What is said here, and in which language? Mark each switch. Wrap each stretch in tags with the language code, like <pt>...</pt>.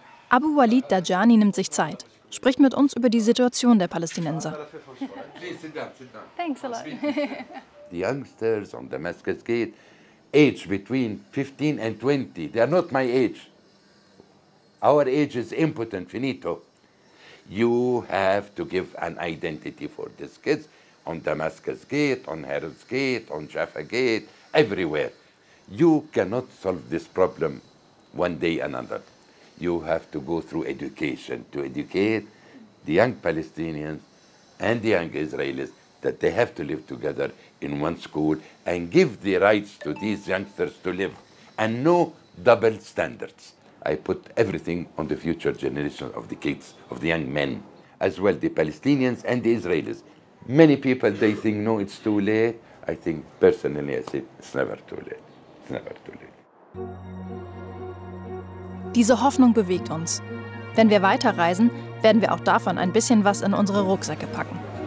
<de>Abu Walid Dajani nimmt sich Zeit, spricht mit uns über die Situation der Palästinenser.</de> <en>Thanks a lot. The youngsters on Damascus Gate, age between 15 and 20, they are not my age. Our age is impotent, finito. You have to give an identity for these kids on Damascus Gate, on Herod's Gate, on Jaffa Gate, everywhere. You cannot solve this problem one day another. You have to go through education to educate the young Palestinians and the young Israelis that they have to live together in one school and give the rights to these youngsters to live and no double standards. I put everything on the future generation of the kids, of the young men, as well the Palestinians and the Israelis. Many people, they think, no, it's too late. I think, personally, I say, it's never too late. It's never too late.</en> <de>Diese Hoffnung bewegt uns. Wenn wir weiterreisen, werden wir auch davon ein bisschen was in unsere Rucksäcke packen.</de>